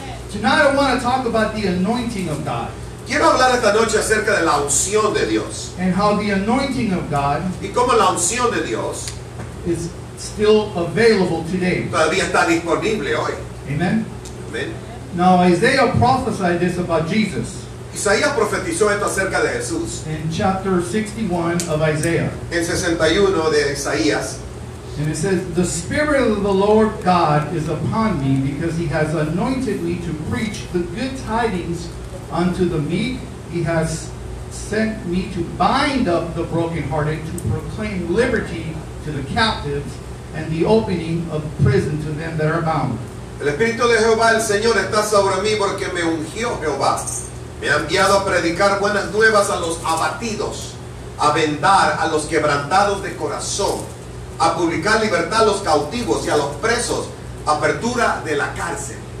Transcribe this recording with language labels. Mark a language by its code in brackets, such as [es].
[en] Tonight I want to talk about the anointing of God. [es] Quiero hablar esta noche acerca de la unción de Dios. [en] And how the anointing of God. [es] Y cómo la unción de Dios [en] is still available today. [es] Todavía está disponible hoy. [en] Amen. [es] Amen. [en] Now Isaiah prophesied this about Jesus. [es] Isaías profetizó esto acerca de Jesús. [en] In chapter 61 of Isaiah. [es] En 61 de Isaías. [en] And it says, "The Spirit of the Lord God is upon me, because He has anointed me to preach the good tidings unto the meek. He has sent me to bind up the brokenhearted, to proclaim liberty to the captives, and the opening of prison to them that are bound." [es] El Espíritu de Jehová, el Señor, está sobre mí porque me ungió Jehová. Me ha enviado a predicar buenas nuevas a los abatidos, a vendar a los quebrantados de corazón, a publicar libertad a los cautivos y a los presos, apertura de la cárcel.